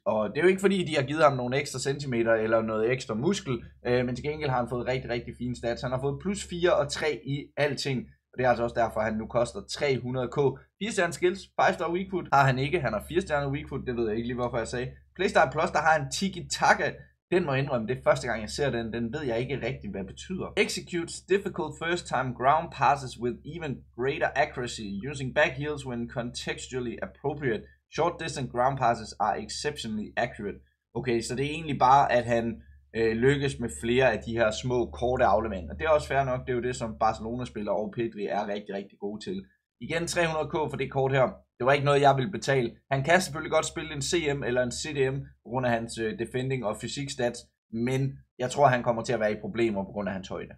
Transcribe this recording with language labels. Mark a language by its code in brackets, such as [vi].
[da] Og det er jo ikke fordi, de har givet ham nogle ekstra centimeter, eller noget ekstra muskel, men til gengæld har han fået rigtig, rigtig fine stats. Han har fået plus 4 og 3 i alting. Og det er altså også derfor, at han nu koster 300k. 4 stjerne skills, 5 star weak foot har han ikke. Han har 4 stjerne weak foot, det ved jeg ikke lige, hvorfor jeg sagde. Playstyle Plus, der har han tiki-taka. Den må jeg indrømme, det er første gang, jeg ser den. Den ved jeg ikke rigtigt, hvad det betyder. [en] Executes difficult first time ground passes with even greater accuracy. Using back heels when contextually appropriate. Short distance ground passes are exceptionally accurate. [da] Okay, så det er egentlig bare, at han... lykkes med flere af de her små korte afleveringer. Det er også fair nok, det er jo det, som Barcelona-spiller og Pedri er rigtig, rigtig gode til. Igen 300k for det kort her. Det var ikke noget, jeg ville betale. Han kan selvfølgelig godt spille en CM eller en CDM på grund af hans defending og fysik stats, men jeg tror, han kommer til at være i problemer på grund af hans højde.